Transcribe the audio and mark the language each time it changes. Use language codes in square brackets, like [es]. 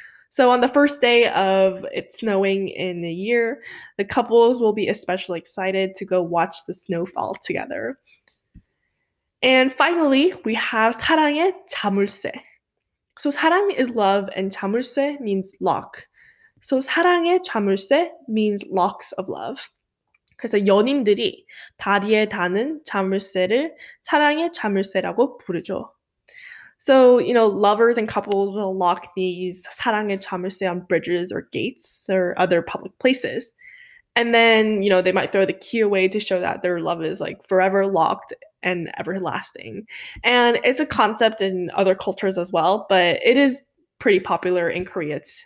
[en] So on the first day of it snowing in the year, the couples will be especially excited to go watch the snowfall together. And finally, we have 사랑의 자물쇠. So 사랑 is love and 자물쇠 means lock. So 사랑의 자물쇠 means locks of love. [ko] 그래서 연인들이 다리에 다는 자물쇠를 사랑의 자물쇠라고 부르죠. [en] So, you know, lovers and couples will lock these 사랑의 자물쇠 on bridges or gates or other public places. And then, you know, they might throw the key away to show that their love is like forever locked and everlasting. And it's a concept in other cultures as well, but it is pretty popular in Korea.